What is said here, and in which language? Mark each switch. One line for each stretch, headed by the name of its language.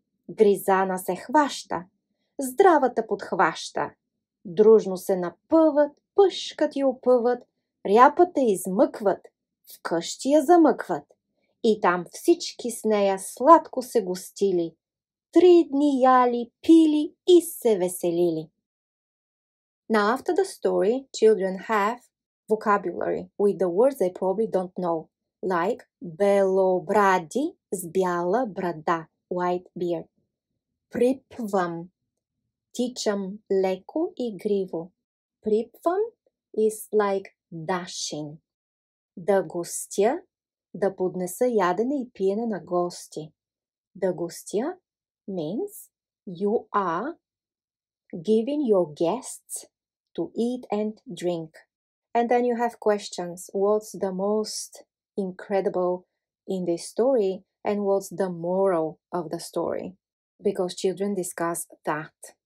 Bulgarian: Гризана се хваща. Здравата подхваща. Дружно се напъват, пъшкат и опъват, ряпата измъкват, вкъщи я замъкват. И там всички с нея сладко се гостили. 3 дни яли, пили и се веселили.
English: Now after the story, children have vocabulary with the words they probably don't know. Like
Bulgarian: белобради с бяла брада,
English: white beard.
Bulgarian: Припвам. Тичам леко и гриво.
English: Припвам is like dashing.
Bulgarian: Да гостя, да поднеса ядене и пиене на гости.
English: Да гостя means you are giving your guests to eat and drink. And then you have questions. What's the most incredible in this story? And what's the moral of the story? Because children discuss that.